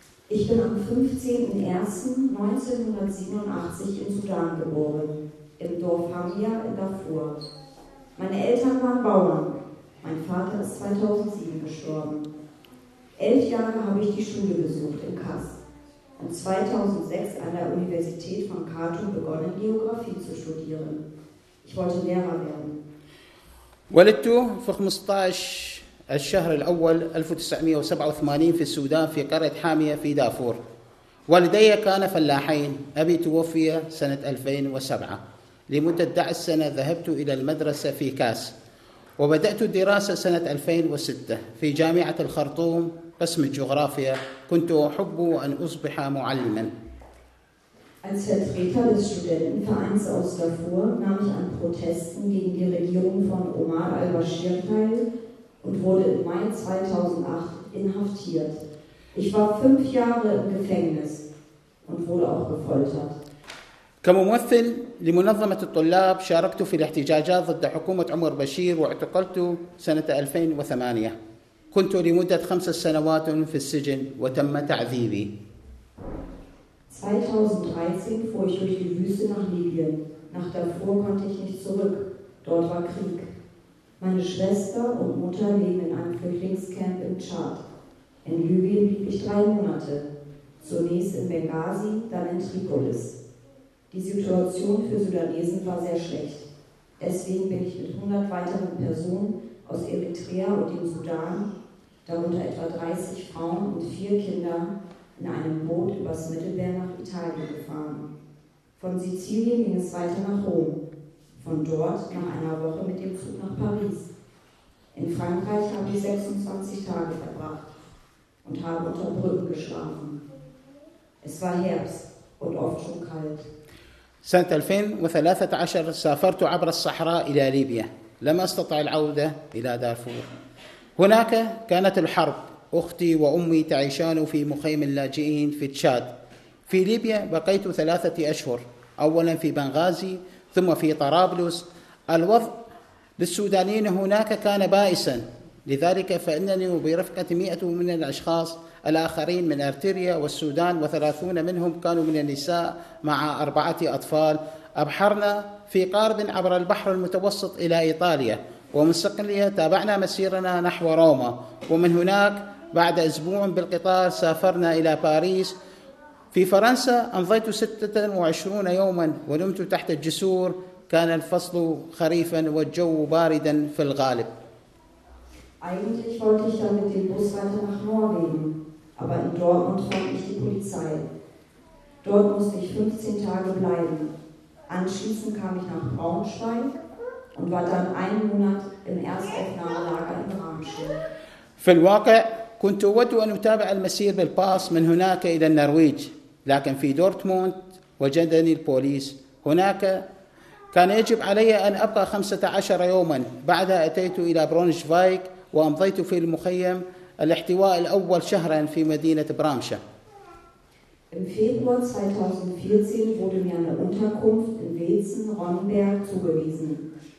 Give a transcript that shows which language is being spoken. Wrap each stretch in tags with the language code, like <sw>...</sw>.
<de>Ich bin am 15.01.1987 in Sudan geboren, im Dorf Hamia in Darfur. Meine Eltern waren Bauern. Mein Vater ist 2007 gestorben. 11 Jahre habe ich die Schule besucht in Kass und 2006 an der Universität von Khartoum begonnen, Geografie zu studieren. Ich wollte Lehrer werden.</de> <ar>ولدت في 15 الشهر الأول 1987 في السودان في قرية حامية في دافور. والدي كان فلاحين. أبي توفي سنة 2007. لمدة 10 سنة ذهبت إلى المدرسة في كاس. وبدأت الدراسة سنة 2006 في جامعة الخرطوم قسم الجغرافيا. كنت أحب أن أصبح معلما.</ar> <de>Als Vertreter des Studentenvereins aus Darfur nahm ich an Protesten gegen die Regierung von Omar al-Bashir teil und wurde im Mai 2008 inhaftiert. Ich war 5 Jahre im Gefängnis und wurde auch gefoltert.</de> <ar>كممثل لمنظمة الطلاب شاركت في الاحتجاجات ضد حكومة عمر بشير واعتقلت سنة 2008. كنت لمدة 5 سنوات في السجن وتم تعذيبي.</ar> <de>2013 fuhr ich durch die Wüste nach Libyen. Nach Darfur konnte ich nicht zurück. Dort war Krieg. Meine Schwester und Mutter leben in einem Flüchtlingscamp in Tschad. In Libyen blieb ich 3 Monate. Zunächst in Benghazi, dann in Tripolis. Die Situation für Sudanesen war sehr schlecht. Deswegen bin ich mit 100 weiteren Personen aus Eritrea und dem Sudan, darunter etwa 30 Frauen und 4 Kinder, in einem Boot übers Mittelmeer nach Italien gefahren. Von Sizilien ging es weiter nach Rom, von dort nach einer Woche mit dem Zug nach Paris. In Frankreich habe ich 26 Tage verbracht und habe unter Brücken geschlafen. Es war Herbst und oft schon kalt.</de> <ar>سنة 2013 سافرت عبر الصحراء إلى ليبيا. لم أستطع العودة إلى دارفور. هناك كانت الحرب. أختي وأمي تعيشان في مخيم اللاجئين في تشاد. في ليبيا بقيت 3 أشهر، أولا في بنغازي ثم في طرابلس. الوضع للسودانيين هناك كان بائسا، لذلك فإنني برفقة 100 من الأشخاص الآخرين من أرتريا والسودان، و30 منهم كانوا من النساء مع 4 أطفال. أبحرنا في قارب عبر البحر المتوسط إلى إيطاليا، ومن صقلية تابعنا مسيرنا نحو روما، ومن هناك بعد أسبوع بالقطار سافرنا إلى باريس. في فرنسا أمضيت 26 يوما ونمت تحت الجسور. كان الفصل خريفا والجو باردا في الغالب.</ar> <de>Eigentlich wollte ich dann mit dem Bus weiter nach Norwegen, aber in Dortmund traf ich die Polizei. Dort musste ich 15 Tage bleiben. Anschließend kam ich nach Braunschweig und war dann einen Monat im Erstaufnahmelager in Ramstedt.</de> <ar>كنت أود أن أتابع المسير بالباص من هناك إلى النرويج، لكن في دورتموند وجدني البوليس. هناك كان يجب علي أن أبقى 15 يوما. بعدها أتيت إلى برونشفايك وأمضيت في المخيم الاحتواء الأول شهرا في مدينة برامشا.</ar> <de>Im Februar 2014 wurde mir eine Unterkunft in Weetzen-Ronnenberg zugewiesen.</de>